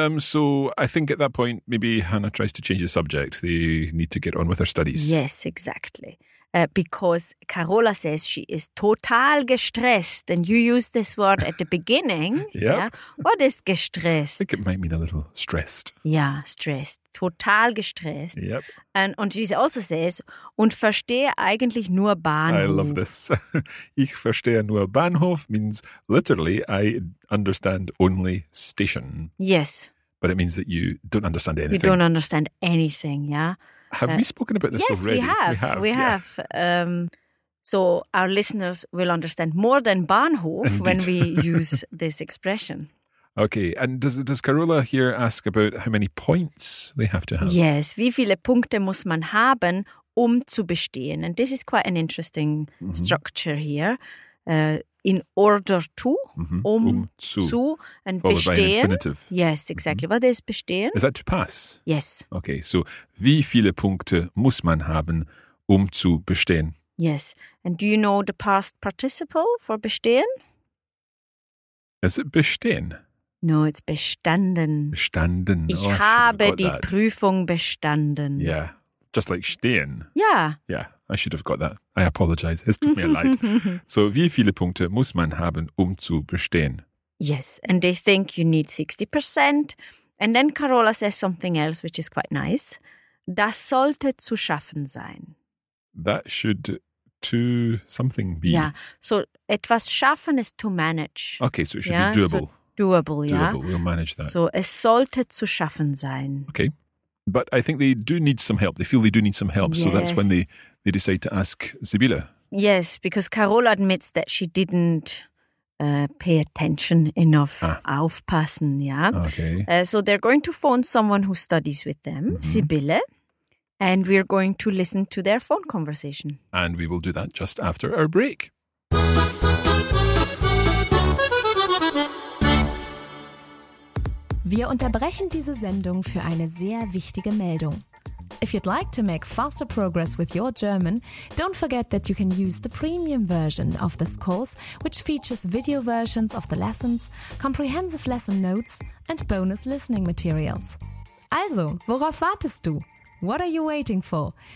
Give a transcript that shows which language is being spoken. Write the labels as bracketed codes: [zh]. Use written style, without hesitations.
[en] So I think at that point, maybe Hannah tries to change the subject. They need to get on with her studies. Yes, exactly. Because Carola says she is [de] total gestresst. [en] And you use this word at the beginning. Yeah. What is gestresst? I think it might mean a little stressed. Yeah, stressed. [de] Total gestresst. [en] Yep. And she also says, [de] und verstehe eigentlich nur Bahnhof. [en] I love this. [de] Ich verstehe nur Bahnhof [en] means literally, I understand only station. Yes. But it means that you don't understand anything. You don't understand anything, yeah. Have we spoken about this yes, already? Yes, we have. So our listeners will understand more than Bahnhof indeed. When we use this expression. Okay, and does Carola here ask about how many points they have to have? [de] Yes, wie viele Punkte muss man haben, zu bestehen? [en] And this is quite an interesting structure here. In order to, [de] zu, [en] and bestehen. By an infinitive. Yes, exactly. What is bestehen? Is that to pass? Yes. [de] Okay, so wie viele Punkte muss man haben, zu bestehen? [en] Yes. And do you know the past participle for bestehen? Is it bestehen? No, it's bestanden. [de] Bestanden. Ich habe die Prüfung bestanden. [en] Yeah, just like stehen. Yeah. Yeah. I should have got that. I apologize. It's took me a light. [de] So, wie viele Punkte muss man haben, zu bestehen? [en] Yes, and they think you need 60%. And then Carola says something else, which is quite nice. [de] Das sollte zu schaffen sein. [en] That should to something be. Yeah, so etwas schaffen is to manage. Okay, so it should be doable. So doable, yeah. Doable, we'll manage that. [de] So, es sollte zu schaffen sein. [en] Okay, but I think they do need some help. They feel they do need some help, yes. So that's when they decide to ask Sibylla. Yes, because Carola admits that she didn't pay attention enough, aufpassen, yeah? Okay. So they're going to phone someone who studies with them, Sibylla, and we're going to listen to their phone conversation. And we will do that just after our break. [de] Wir unterbrechen diese Sendung für eine sehr wichtige Meldung. [en] If you'd like to make faster progress with your German, don't forget that you can use the premium version of this course, which features video versions of the lessons, comprehensive lesson notes and bonus listening materials. [de] Also, worauf wartest du? [en] What are you waiting for?